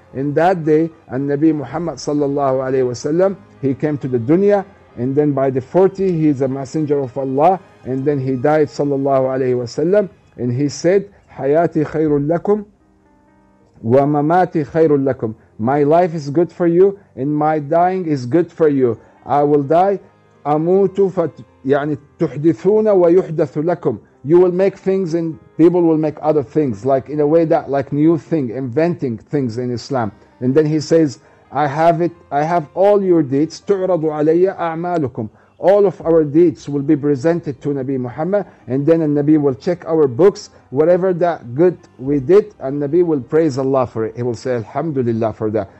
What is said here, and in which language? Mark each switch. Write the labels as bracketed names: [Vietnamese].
[English] in that day, and Nabi Muhammad sallallahu alayhi wasallam, he came to the dunya, and then by the 40, he's a messenger of Allah, and then he died sallallahu alayhi wasallam, and he said, [Arabic] Hayati khayrun lakum wa mamati khayrun lakum. [English] My life is good for you, and my dying is good for you. I will die. [Arabic] أَمُوتُ يعني تُحْدِثُونَ وَيُحْدَثُ لَكُمْ. [English] You will make things and people will make other things, like in a way that, like new thing, inventing things in Islam. And then he says, I have all your deeds, [Arabic] تُعْرَضُ عَلَيَّ أَعْمَالُكُمْ. [English] All of our deeds will be presented to Nabi Muhammad, and then Nabi will check our books, whatever that good we did, and Nabi will praise Allah for it. He will say, Alhamdulillah for that.